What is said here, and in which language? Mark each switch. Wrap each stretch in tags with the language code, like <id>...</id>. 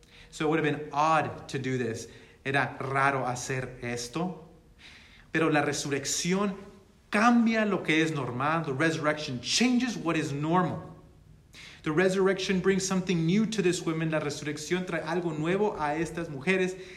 <en>So it would have been odd to do this.</en> <es>Era raro hacer esto. Pero la resurrección cambia lo que es normal.</es> <en>The resurrection changes what is normal. The resurrection brings something new to this woman.</en> <es>La resurrección trae algo nuevo a estas mujeres.</es>